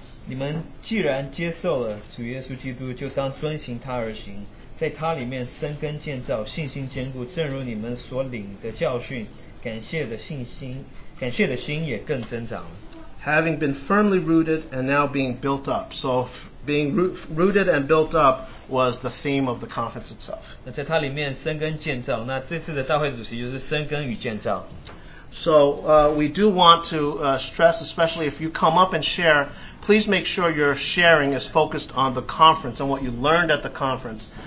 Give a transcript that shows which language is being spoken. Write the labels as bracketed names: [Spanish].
[Chinese] 你们既然接受了主耶稣基督,就当遵行他而行,在他里面生根建造,信心坚固,正如你们所领的教训,感谢的信心也更增长。Having [English] been firmly rooted and now being built up. So being rooted and built up was the theme of the conference itself. [Chinese] 那在他里面生根建造,那这次的大会主席就是生根与建造。 [English] So we do want to stress, especially if you come up and share, please make sure your sharing is focused on the conference and what you learned at the conference.